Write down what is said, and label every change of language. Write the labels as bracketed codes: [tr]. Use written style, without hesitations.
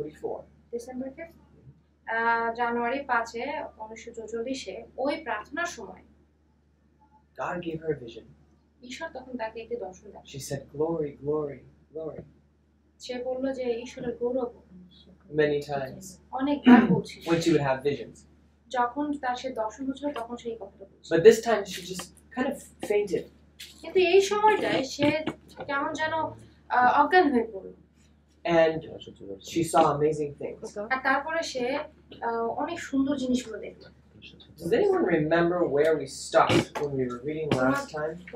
[en] 1844, God gave her a vision. [bn] ঈশ্বর তখন তাকে একটি দর্শন দেন। [en] She said, "Glory, glory, glory." [bn] সে বলল যে ঈশ্বরের গৌরব। [en] Many times. [bn] অনেকবার বলছি। [en] When she would have visions. [bn] যখন তার সে দর্শন হচ্ছিল তখন সেই কথাটা বলছিল। [en] But this time she just kind of fainted. [bn] কিন্তু এই সময়টায় সে কেমন যেন অজ্ঞান হয়ে পড়ল। [en] And she saw amazing things. [bn] আর তারপরে সে অনেক সুন্দর জিনিসগুলো দেখল। [en] Does anyone remember where we stopped when we were reading last time?